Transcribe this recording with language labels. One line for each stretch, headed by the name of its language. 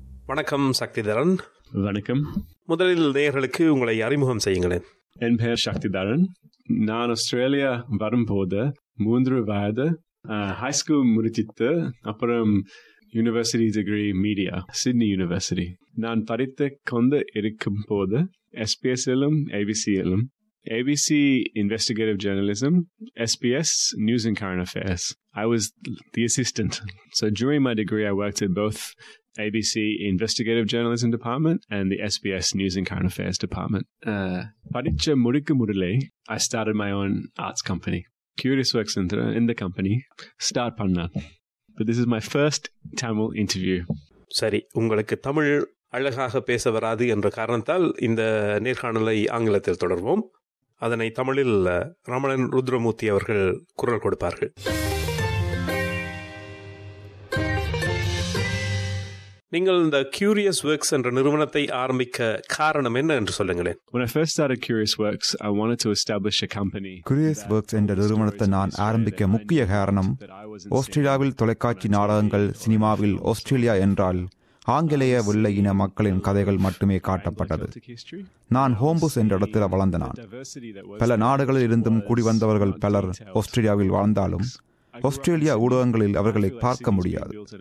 Tamil: வணக்கம் சக்திதரன். வணக்கம். முதலில் நேயர்களுக்கு உங்களை அறிமுகம் செய்யுங்களேன். என் பெயர் சக்திதரன். நான் ஆஸ்திரேலியா வரும்போது 3 வயது ஹை ஸ்கூல் முடிச்சிட்டு அப்புறம் university degree media Sydney university. நான் படித்து கொண்டு இருக்கும் போது SBS-லும் ABC-லும்
English: ABC investigative journalism, SBS news and current affairs. I was the assistant. So during my degree, I worked at both ABC investigative journalism department and the SBS news and current affairs department.
Tamil: Padicha mudika mudile,
English: I started my own arts company. Curious Work Center in the company.
Tamil: Start panna.
English: But this is my first Tamil interview.
Tamil: Sari, ungalku Tamil alagaga pesa varadhu endra kaaranathal indha neerkaanalai aangilathil thodarvom. அதனை தமிழில் ரமணன் ருத்ரமூர்த்தி அவர்கள் குரல் கொடுப்பார்கள். நீங்கள் இந்த curious works என்ற நிறுவனத்தை ஆரம்பிக்க காரணம் என்ன என்று சொல்லுங்களேன்.
English: When I first started Curious Works, I wanted to establish a company.
Tamil: Curious Works என்ற நிறுவனத்தை நான் ஆரம்பிக்க முக்கிய காரணம், ஆஸ்திரேலியாவில் தொலைக்காட்சி நாடகங்கள் சினிமாவில் ஆஸ்திரேலியா என்றால் ஆங்கிலேய உள்ள இன மக்களின் கதைகள் மட்டுமே காட்டப்பட்டது. நான் ஹோம்புஸ் என்ற இடத்தில் வளர்ந்தனான். பல நாடுகளில் இருந்தும் குடிவந்தவர்கள் பலர் ஆஸ்திரேலியாவில் வாழ்ந்தாலும் ஆஸ்திரேலியா ஊடகங்களில் அவர்களை பார்க்க முடியாது.